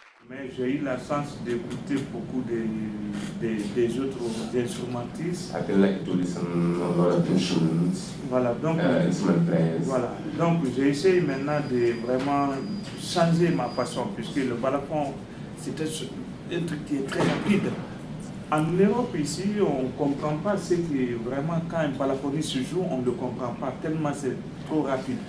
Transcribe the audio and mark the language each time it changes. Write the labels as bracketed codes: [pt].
[fr] Mais j'ai eu la chance d'écouter beaucoup des autres instrumentistes. [en] I've been like to listen a lot of instruments. [fr] Voilà, donc [en] instrument players. [fr] Voilà, donc j'essaie maintenant de vraiment changer ma façon, puisque le balafon, c'était un truc qui est très rapide. En Europe, ici, on ne comprend pas ce que vraiment, quand un balafoniste se joue, on ne le comprend pas, tellement c'est trop rapide.